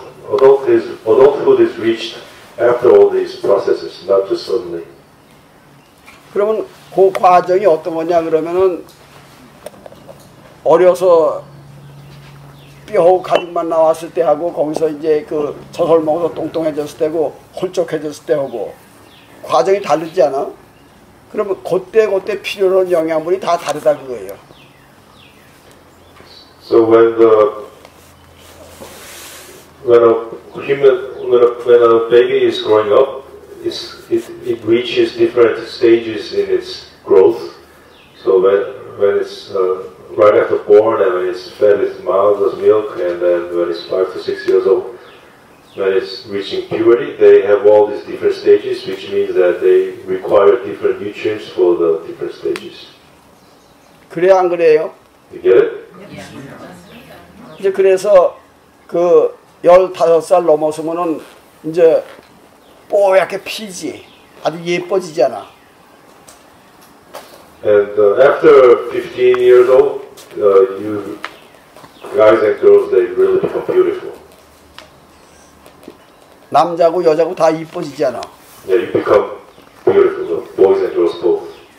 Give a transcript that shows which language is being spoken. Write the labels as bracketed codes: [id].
[en] Adulthood is reached after all these processes, not just suddenly. [ko] 그러면 그 과정이 어떤 거냐 그러면은 어려서 뼈하고 가죽만 나왔을 때 하고 거기서 이제 그 젖을 먹어서 뚱뚱해졌을 때고 홀쭉해졌을 때 하고 과정이 다르지 않아? 그러면 그때 필요한 영양분이 다 다르다 그거예요. [en] So when a baby is growing up, it reaches different stages in its growth. So when it's right after born and when it's fed its mother's milk and then when it's 5 to 6 years old, when it's reaching puberty, they have all these different stages, which means that they require different nutrients for the different stages. [ko] 그래 안 그래요? [en] You get it? [ko] 이제 그래서 그 15살 넘어서면은 이제 뽀얗게 피지 아주 예뻐지잖아. [en] And after 15 years old, you guys and girls, they really become beautiful. [ko] 남자고 여자고 다 이뻐지잖아. [en] Yeah, you become beautiful, the boys and girls both.